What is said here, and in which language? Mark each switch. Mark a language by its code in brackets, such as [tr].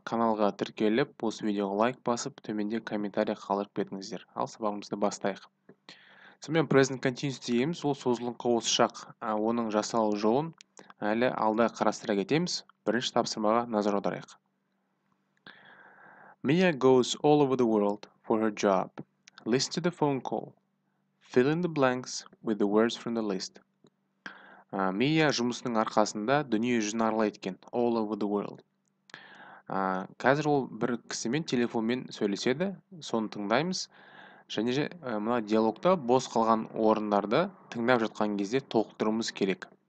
[kk] Каналға тіркеліп, осы видеоға лайк басып, төменде комментария қалдырып кетіңіздер. Ал сабағымызды бастайық. Сонымен present continuous дейміз, ол созылыңқы осы шақ, оның жасалу жолын әлі алда қарастыра кетеміз. Бірінші тапсырмаға назар аударайық. [en] Mia goes all over the world for her job. Listen to the phone call. Fill in the blanks with the words from the list. [kk] Мия жұмысының арқасында дүние жүзін аралайды екен. [en] All over the world. [kk] Қазір ол бір кісімен телефонмен сөйлеседі. Соны тыңдаймыз. Және мына диалогта бос қалған орындарды тыңдап жатқан кезде толықтыруымыз керек.